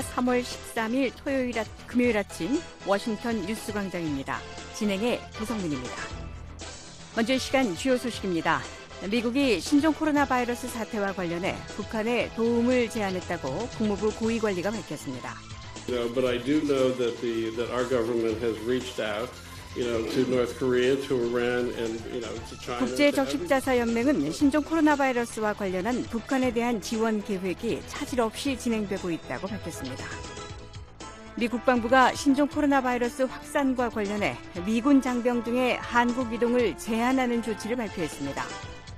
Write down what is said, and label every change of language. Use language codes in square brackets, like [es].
[ko] 3월 13일 토요일 금요일 아침 워싱턴 뉴스 광장입니다. 진행의 조성민입니다. 먼저 시간 주요 소식입니다. 미국이 신종 코로나 바이러스 사태와 관련해 북한에 도움을 제안했다고 국무부 고위 관리가 밝혔습니다. [en] No, but I do know that the that our government has reached out, you know, to North Korea, to Iran, and you know, to China. [ko] 국제 적십자사 연맹은 신종 코로나 바이러스와 관련한 북한에 대한 지원 계획이 차질 없이 진행되고 있다고 밝혔습니다. 미 국방부가 신종 코로나 바이러스 확산과 관련해 미군 장병 등의 한국 이동을 제한하는 조치를 발표했습니다.